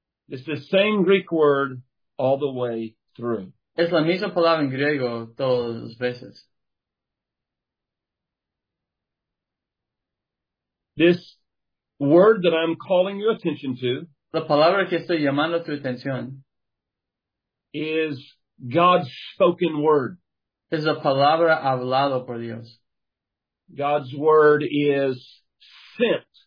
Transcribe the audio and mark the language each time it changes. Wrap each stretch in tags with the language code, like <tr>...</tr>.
<en>It's the same Greek word all the way through.</en> <es>Es la misma palabra en griego todas veces.</es> <en>This word that I'm calling your attention to.</en> <es>La palabra que estoy llamando tu atención</es> <en>is God's spoken word.</en> <es>Es la palabra hablado por Dios.</es> <en>God's word is sent.</en>